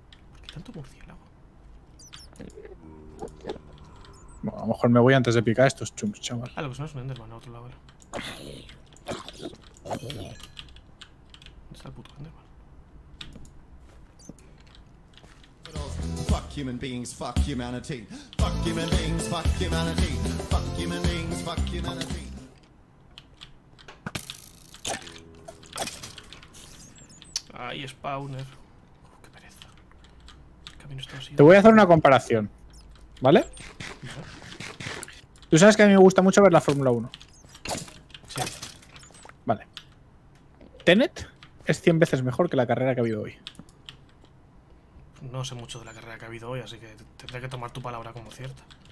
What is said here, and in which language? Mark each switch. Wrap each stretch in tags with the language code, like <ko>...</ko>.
<es>¿Por qué tanto murciélago? Bueno, a lo mejor me voy antes de picar estos chunks, chaval. Ah, lo que son es un Enderman a otro lado. ¿Dónde está el puto Enderman?</es> <en>Fuck human beings, fuck humanity. Fuck human beings, fuck humanity. Fuck human beings, fuck humanity. Ay, spawner.</en> <es>Qué pereza. Camino está así. Te voy a hacer una comparación, ¿vale? Tú sabes que a mí me gusta mucho ver la Fórmula 1. Sí. Vale. Tenet es 100 veces mejor que la carrera que ha habido hoy. No sé mucho de la carrera que ha habido hoy, así que tendré que tomar tu palabra como cierta.</es>